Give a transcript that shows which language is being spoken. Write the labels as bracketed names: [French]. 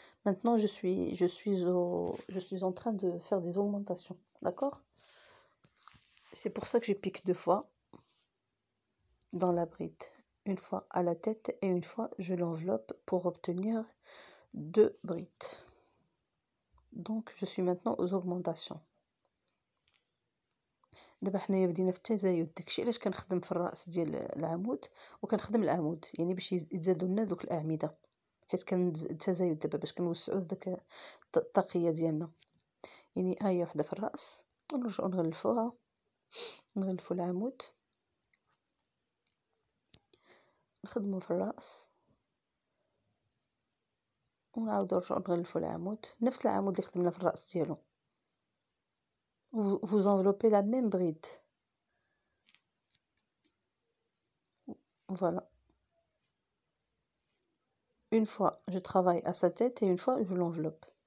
[French] Maintenant, je suis en train de faire des augmentations, d'accord? C'est pour ça que je pique deux fois dans la bride. Une fois à la tête et une fois je l'enveloppe pour obtenir deux brides. Donc je suis maintenant aux augmentations. [Arabic] دابا حنايا بدينا في التزايد، داكشي علاش كنخدم في الراس ديال العمود وكنخدم العمود، يعني باش يتزادوا لنا دوك الاعمده، حيت كنزيد التزايد دابا باش كنوسعوا داك الطاقيه ديالنا. يعني ها هي وحده في الراس، نرجعوا نغلفوها، نغلفوا العمود، نخدمو في الرأس ونعاودو نرجعو نغلفو العمود، نفس العمود اللي خدمنا في الرأس ديالو. [French] vous enveloppez la même bride. voilà. une fois je travaille à sa tête et une fois je l'enveloppe.